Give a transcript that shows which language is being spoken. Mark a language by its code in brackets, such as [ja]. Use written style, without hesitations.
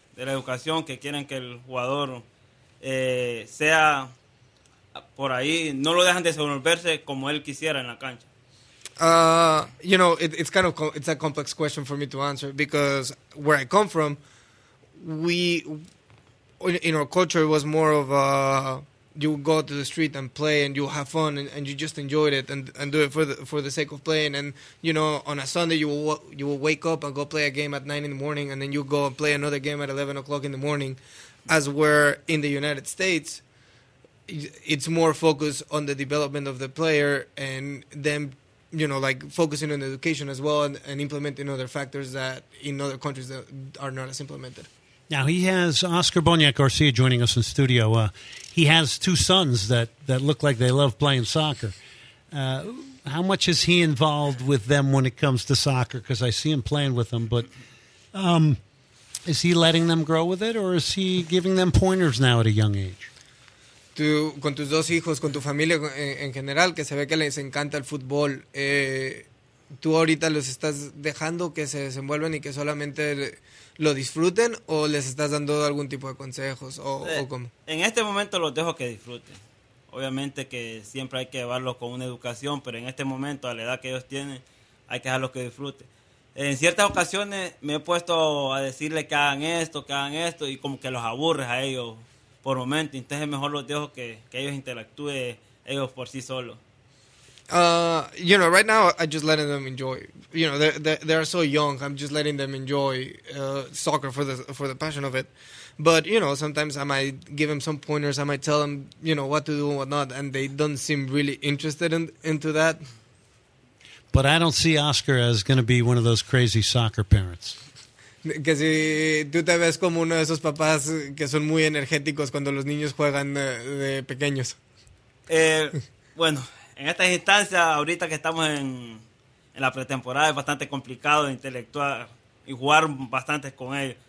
[es] De la educación que quieren que el jugador sea por ahí, no lo dejan desenvolverse como él quisiera en la cancha. [en] You know, it's a complex question for me to answer because where I come from, we, in our culture, it was more of you go to the street and play and you have fun and you just enjoyed it and do it for the sake of playing. And, you know, on a Sunday, you will wake up and go play a game at 9 in the morning and then you go and play another game at 11 o'clock in the morning. As we're in the United States, it's more focused on the development of the player and them, you know, like focusing on education as well and implementing other factors that in other countries that are not as implemented. Now, he has Oscar Bonilla-Garcia joining us in studio. He has two sons that look like they love playing soccer. How much is he involved with them when it comes to soccer? Because I see him playing with them, but is he letting them grow with it or is he giving them pointers now at a young age? [es] Con tus dos hijos, con tu familia en general, que se ve que les encanta el fútbol, ¿tú ahorita los estás dejando que se desenvuelvan y que solamente lo disfruten o les estás dando algún tipo de consejos o cómo? En este momento los dejo que disfruten. Obviamente que siempre hay que llevarlos con una educación, pero en este momento, a la edad que ellos tienen, hay que dejarlos que disfruten. En ciertas ocasiones me he puesto a decirle que hagan esto, y como que los aburres a ellos por momento, entonces mejor los dejo que ellos interactúen ellos por sí solos. [en] You know, right now I'm just letting them enjoy. You know, they are so young. I'm just letting them enjoy soccer for the passion of it. But you know, sometimes I might give them some pointers. I might tell them, you know, what to do and what not, and they don't seem really interested into that. But I don't see Oscar as going to be one of those crazy soccer parents. [es] Que si tú te ves como uno de esos papás que son muy energéticos cuando los niños juegan de pequeños. Bueno. En estas instancias, ahorita que estamos en la pretemporada, es bastante complicado intelectual y jugar bastante con ellos.